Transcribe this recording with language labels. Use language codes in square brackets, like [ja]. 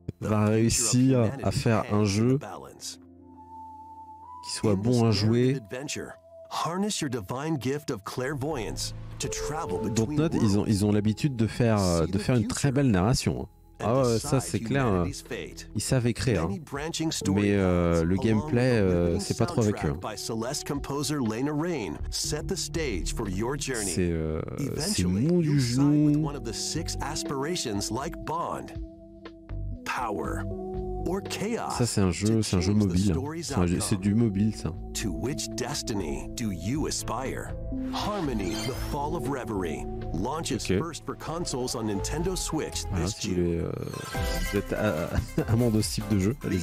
[fr] va réussir à faire un jeu qui soit bon à jouer. [en] Harness your divine gift of clairvoyance to travel between worlds. [fr] Dontnod, ils ont l'habitude de faire une très belle narration. Ah ouais, ça c'est clair, ils savent écrire, hein. Mais le gameplay, c'est pas trop avec eux. C'est mou du genou. Ça c'est un jeu mobile. C'est du mobile, ça. [en] To which destiny do you aspire? Harmony, the fall of reverie. Launches okay. First for consoles on Nintendo Switch this June. [fr] Si vous êtes amant de ce type de jeu, allez-y.